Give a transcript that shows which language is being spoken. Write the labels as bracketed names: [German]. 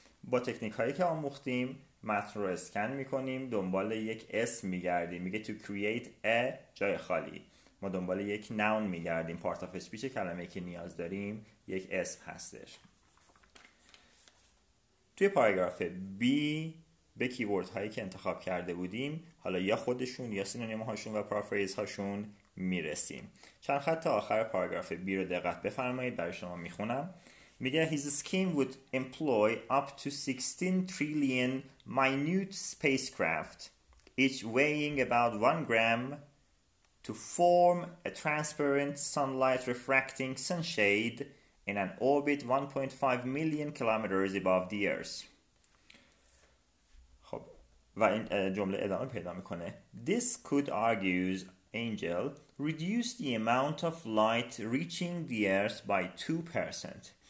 [Persian] با تکنیک هایی که آموختیم متن رو اسکن میکنیم، دنبال یک اسم میگردیم، میگه [English] to create a [Persian] جای خالی، ما دنبال یک noun میگردیم، part of speech کلمه که نیاز داریم یک اسم هستش. توی پاراگراف B به کیورد هایی که انتخاب کرده بودیم حالا یا خودشون یا سینونیم هاشون و پارافریز هاشون میرسیم. چند خط آخر پاراگراف B رو دقت بفرمایید، برای شما میخونم. میگه [English] his scheme would employ up to 16 trillion minute spacecraft each weighing about 1 gram to form a transparent sunlight refracting sunshade in an orbit 1.5 million kilometers above the earth. [Persian] خب و این جمله ادامه پیدا میکنه. [English] This could, argues Angel, reduce the amount of light reaching the earth by 2%.